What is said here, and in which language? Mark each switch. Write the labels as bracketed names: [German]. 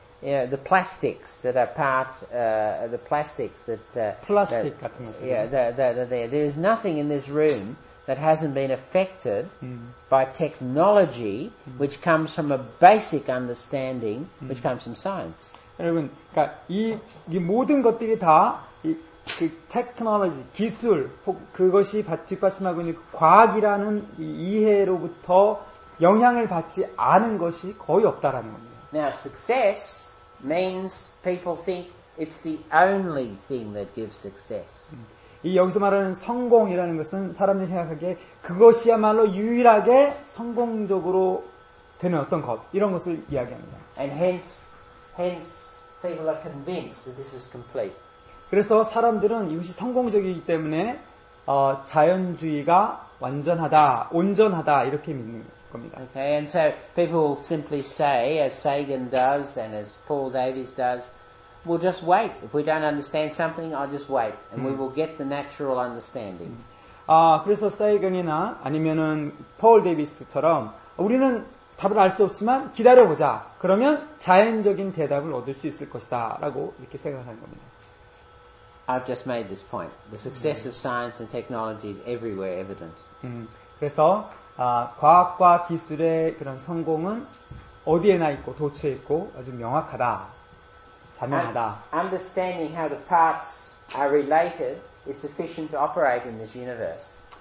[English] Yeah, the plastics that are part, the plastics that. [Korean] 플라스틱 [English] that, [Korean] 같은 것들. [English] Yeah, they're there. There is nothing in this room that hasn't been affected by technology, which comes from a basic understanding, which comes from science. [Korean] 여러분, 그러니까 이 모든 것들이 다 그 테크놀로지 기술 그것이 뒷받침하고 있는 과학이라는 이해로부터 영향을 받지 않은 것이 거의 없다라는 겁니다. [English] Now success means people think it's the only thing that gives success. [Korean] 이 여기서 말하는 성공이라는 것은 사람들이 생각하기에 그것이야말로 유일하게 성공적으로 되는 어떤 것 이런 것을 이야기합니다. [English] And hence people are convinced that this is complete. [Korean] 그래서 사람들은 이것이 성공적이기 때문에 자연주의가 완전하다, 온전하다 이렇게 믿는 겁니다. [English] Okay, and so people simply say, as Sagan does and as Paul Davies does, we'll just wait. If we don't understand something, I'll just wait, and we will get the natural understanding. [Korean] 그래서 세이건이나 아니면은 폴 데이비스처럼 우리는 답을 알 수 없지만 기다려보자. 그러면 자연적인 대답을 얻을 수 있을 것이다라고 이렇게 생각하는 겁니다. [English] I've just made this point. The success of science and technology is everywhere evident. [Korean] 그래서 과학과 기술의 그런 성공은 어디에나 있고 도처에 있고 아주 명확하다, 자명하다. [English] Understanding how the parts are related is sufficient to operate in this universe.